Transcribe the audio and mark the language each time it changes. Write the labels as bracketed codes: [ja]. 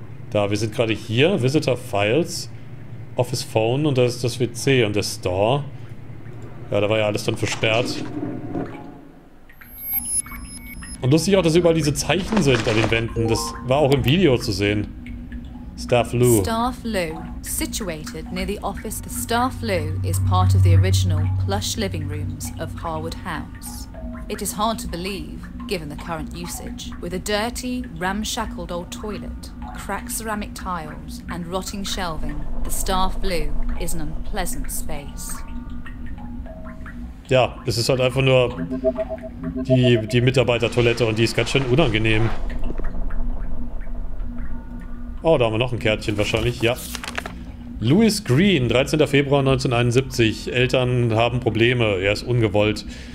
[de] Da, wir sind gerade hier, Visitor Files, Office Phone und da ist das WC und der Store. Ja, da war ja alles dann versperrt. Und lustig auch, dass überall diese Zeichen sind an den Wänden, das war auch im Video zu sehen. [en] Staff Loo. Staff Loo, situated near the office. The Staff Loo is part of the original plush living rooms of Harwood House. It is hard to believe, given the current usage, with a dirty, ramshackled old toilet, cracked ceramic tiles, and rotting shelving, the Staff Blue is an unpleasant space. [de] Ja, es ist halt einfach nur die Mitarbeitertoilette und die ist ganz schön unangenehm. Oh, da haben wir noch ein Kärtchen wahrscheinlich, ja. Louis Green, 13. Februar 1971. Eltern haben Probleme, er ist ungewollt.